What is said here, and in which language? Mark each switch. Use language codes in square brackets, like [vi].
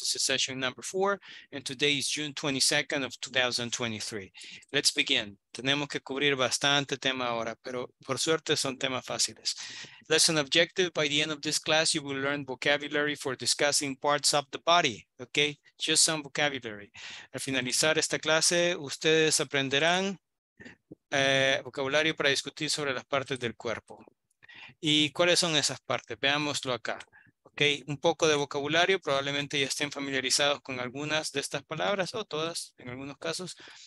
[en] This is session number 4, and today is June 22nd of 2023. Let's begin. [es] Tenemos que cubrir bastante tema ahora, pero por suerte son temas fáciles. [en] Lesson objective, by the end of this class, you will learn vocabulary for discussing parts of the body. Ok, just some vocabulary. [es] Al finalizar esta clase, ustedes aprenderán vocabulario para discutir sobre las partes del cuerpo. ¿Y cuáles son esas partes? Veámoslo acá. Ok, un poco de vocabulario, probablemente ya estén familiarizados con algunas de estas palabras o todas en algunos casos.